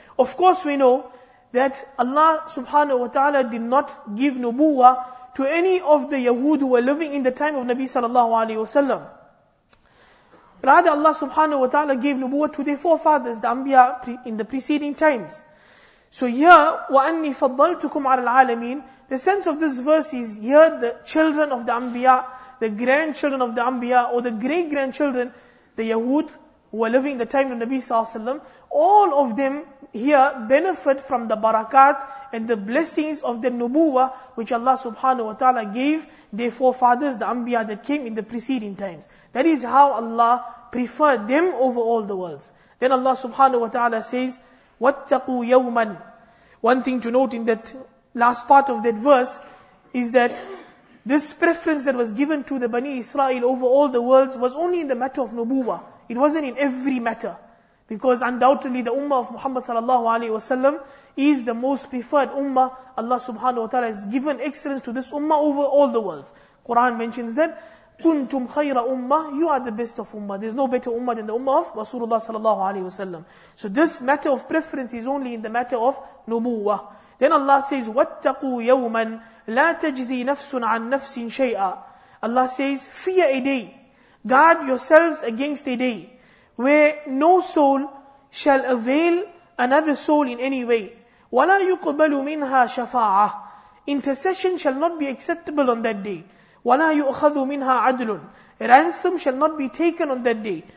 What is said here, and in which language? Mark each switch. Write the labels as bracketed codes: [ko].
[en] Of course we know that Allah subhanahu wa ta'ala did not give nubuwa to any of the Yahud who were living in the time of Nabi sallallahu alayhi wasallam. Rather Allah subhanahu wa ta'ala gave nubuwa to their forefathers, the Anbiya, in the preceding times. So here, [ar] وَأَنِّي فَضَّلْتُكُمْ عَلَى الْعَالَمِينَ. [en] The sense of this verse is, here the children of the Anbiya, the grandchildren of the Anbiya, or the great-grandchildren, the Yahud, who were living in the time of Nabi Sallallahu Alaihi Wasallam, all of them here benefit from the barakat and the blessings of the nubuwa which Allah subhanahu wa ta'ala gave their forefathers, the Anbiya that came in the preceding times. That is how Allah preferred them over all the worlds. Then Allah subhanahu wa ta'ala says, [ar] وَاتَّقُوا يَوْمًا. [en] One thing to note in that last part of that verse is that this preference that was given to the Bani Israel over all the worlds was only in the matter of nubuwa. It wasn't in every matter. Because undoubtedly the ummah of Muhammad sallallahu alayhi wa sallam is the most preferred ummah. Allah subhanahu wa ta'ala has given excellence to this ummah over all the worlds. Quran mentions that, [ar] كُنْتُمْ خَيْرَ أُمَّةٍ. [en] You are the best of ummah. There's no better ummah than the ummah of Rasulullah sallallahu alayhi wa sallam. So this matter of preference is only in the matter of nubuwa. Then Allah says, [ar] وَاتَّقُوا يَوْمًا لَا تَجْزِي نَفْسٌ عَن نَفْسٍ شَيْئًا. [en] Allah says, fear a day. Guard yourselves against a day where no soul shall avail another soul in any way. [ar] وَلَا يُقْبَلُ مِنْهَا شَفَاعَةٌ. [en] Intercession shall not be acceptable on that day. [ar] وَلَا يُؤْخَذُ مِنْهَا عَدْلٌ [en] Ransom shall not be taken on that day.